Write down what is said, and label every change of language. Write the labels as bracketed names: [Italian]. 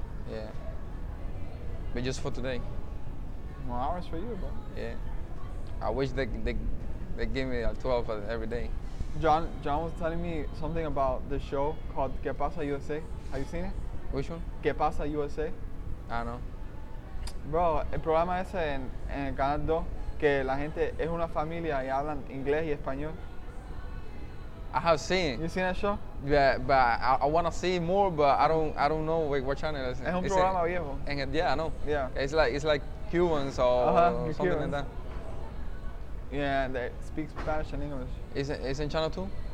[English] Yeah. But just for today. More hours for you, bro. Yeah. I wish they give me 12 every day. John was telling me something about this show called Que Pasa USA. Have you seen it? Which one? Que Pasa USA. I don't know. [Spanish] Bro, el programa ese en el canal 2, que la gente es una familia y hablan inglés y español. [English] I have seen it. You seen that show? Yeah, but I want to see more, but I don't know what channel it is. [Spanish] Es un programa viejo. [English] Yeah, I know. Yeah. It's like Cubans or something Cubans. Like that. Yeah, they speak Spanish and English. Is it in channel 2?